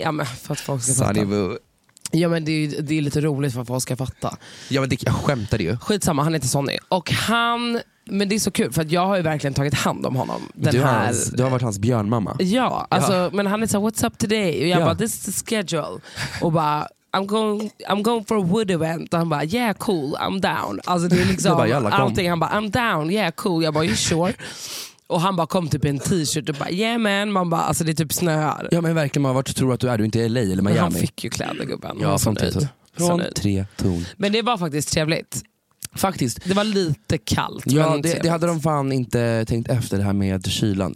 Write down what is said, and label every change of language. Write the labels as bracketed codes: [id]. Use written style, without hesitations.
[sv] Ja men för att folk ska fatta. Sunny Boo. Ja men det är lite roligt för att folk ska fatta. Ja men jag skämtade ju. Skitsamma, han heter Sonny. Och han, men det är så kul för att jag har ju verkligen tagit hand om honom. Du har varit hans björnmamma. Ja, alltså, men han är så what's up today? [en] Och jag bara, this is the schedule. Och bara, I'm going for a wood event. Och han bara, yeah cool, I'm down. [sv] Alltså det är liksom bara, jalla, allting. [en] Han bara, I'm down, yeah cool. [sv] Jag bara, you sure? Och han bara kom typ i en t-shirt och bara, yeah man. Man bara, alltså det är typ snöar. Ja men verkligen, man, vart tror du att du är? Du är inte i LA eller Miami? Han fick ju kläder, gubben. Ja, från Tre Torn. Men det var faktiskt trevligt. Faktiskt. Det var lite kallt. Ja, det hade de fan inte tänkt efter det här med kylan.